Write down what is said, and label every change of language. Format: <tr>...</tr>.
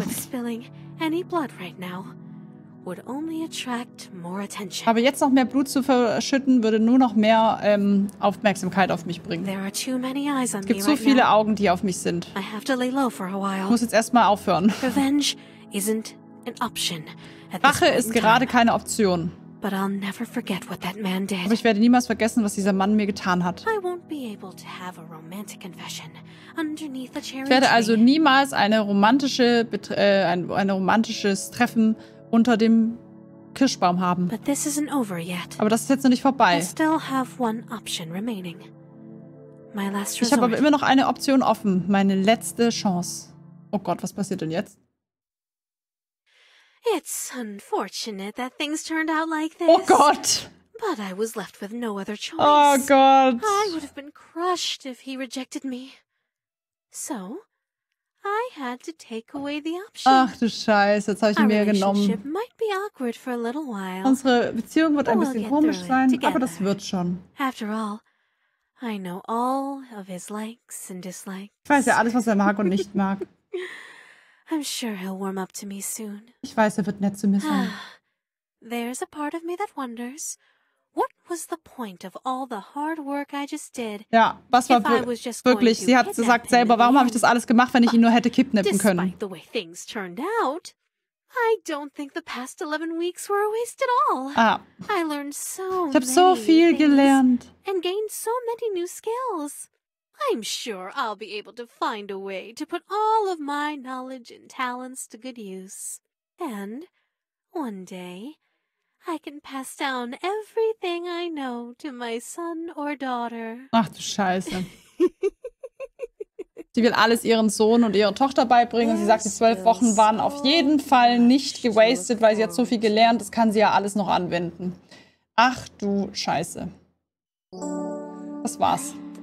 <en>But spilling any blood right now would only attract more attention.</en> <de>Aber jetzt noch mehr Blut zu verschütten, würde nur noch mehr Aufmerksamkeit auf mich bringen.</de> <en>There are too many eyes on</en> <de>es gibt so viele</de> <en>right</en> <de>Augen, die auf mich sind.</de> <en>I have to lay low for a while.</en> <de>Ich muss jetzt erstmal aufhören.</de> <en>Revenge isn't an option.</en> <de>Rache ist gerade keine Option.</de> <en>But I'll never forget what that man did.</en> <de>Aber ich werde niemals vergessen, was dieser Mann mir getan hat.</de> <en>I won't be able to have a romantic confession underneath the cherry tree.</en> <de>Ich werde also niemals ein romantisches Treffen unter dem Kirschbaum haben.</de> <en>But this isn't over yet.</en> <de>Aber das ist jetzt noch nicht vorbei.</de> <en>I still have one option remaining. My last resort.</en> <de>Ich habe aber immer noch eine Option offen. Meine letzte Chance. Oh Gott, was passiert denn jetzt?</de> <en>It's unfortunate that things turned out like this.</en> <de>Oh Gott!</de> <en>But I was left with no other choice.</en> <de>Oh Gott!</de> <en>I would have been crushed if he rejected me. So, I had to take away the option.</en> <de>Ach du Scheiße, jetzt habe ich ihn mir genommen.</de> <en>Our relationship might be awkward for a little while.</en> <de>Unsere Beziehung wird ein bisschen komisch sein, aber das wird schon.</de> <en>After all, I know all of his likes and dislikes.</en> <de>Ich weiß ja alles, was er mag und nicht mag.</de> <en>I'm sure he'll warm up to me soon.</en> <de>Ich weiß, er wird nett zu mir sein.</de> <en>There's a part of me that wonders, what was the point of all the hard work I just did?</en> <de>Ja, was war wirklich? Sie hat gesagt selber, warum habe ich das alles gemacht, wenn ich ihn nur hätte kidnappen können?</de> <en>Despite the way things turned out, I don't think the past 11 weeks were a waste at all. Ah. I learned so</en> <de>ich habe so viel gelernt.</de> <en>And gained so many new skills. I'm sure I'll be able to find a way to put all of my knowledge and talents to good use. And one day, I can pass down everything I know to my son or daughter.</en> <de>Ach du Scheiße. Sie will alles ihren Sohn und ihrer Tochter beibringen. Und sie sagt, die 12 Wochen waren auf jeden Fall nicht gewastet, weil sie hat so viel gelernt. Das kann sie ja alles noch anwenden. Ach du Scheiße. Das war's.</de>